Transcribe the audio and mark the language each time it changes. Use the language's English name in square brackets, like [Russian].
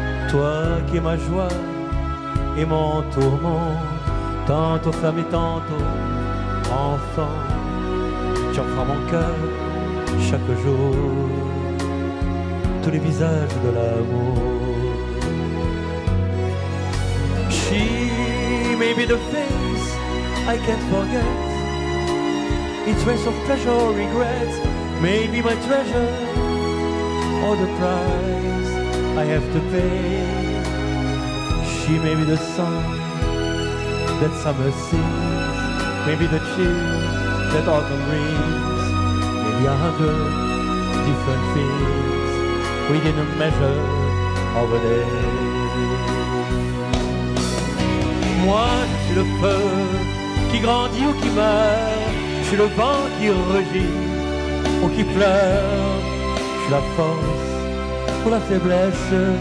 [French] Toi qui es ma joie et mon tourment, tantôt femme et tantôt enfant, tu enfreins mon cœur chaque jour tous les visages de l'amour. [English] She may be the face I can't forget, a trace of pleasure, regret, maybe my treasure, or the price I have to pay. She may be the song that summer sings, maybe the chill that autumn brings, maybe a hundred different things within a measure of a day. [French] Moi, je suis le feu qui grandit ou qui meurt. Je suis le vent qui rugit ou qui pleure. Je suis la force ou la faiblesse.